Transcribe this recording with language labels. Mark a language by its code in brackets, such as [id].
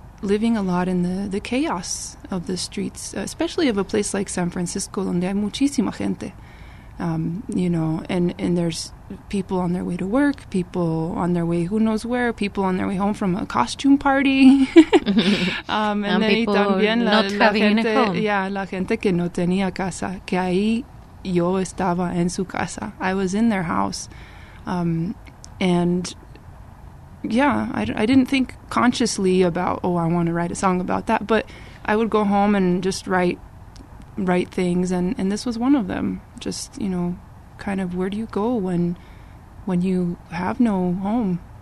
[en] living a lot in the chaos of the streets, especially of a place like San Francisco, [es] donde hay muchísima gente, [en] you know, and there's people on their way to work, people on their way who knows where, people on their way home from a costume party. and then [es] también la gente, la gente que no tenía casa, que ahí yo estaba en su casa. [en] I was in their house. I didn't think consciously about, oh, I want to write a song about that, but I would go home and just write things, and this was one of them. Just, you know, kind of where do you go when you have no home?